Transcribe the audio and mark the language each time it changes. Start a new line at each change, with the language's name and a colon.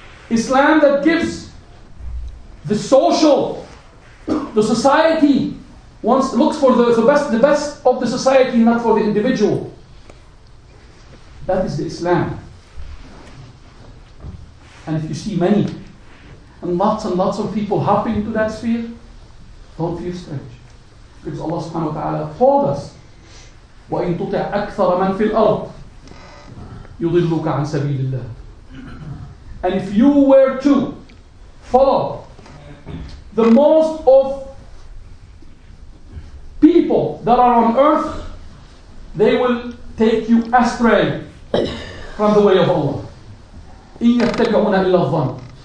English: Islam that gives the social, the society, once looks for the best of the society, not for the individual. That is the Islam. And if you see many and lots of people hopping into that sphere, don't feel strange. Because Allah subhanahu wa ta'ala told us,
Arabic: وَإِن تُطِعْ أَكْثَرَ مَن فِي الْأَرْضِ يُضِلُّكَ عَن سَبِيلِ اللَّهِ.
English: And if you were to follow the most of people that are on earth, they will take you astray from the way of Allah.
Arabic: إِن يَتَّبِعُونَ إِلَّا الظَّنَّ.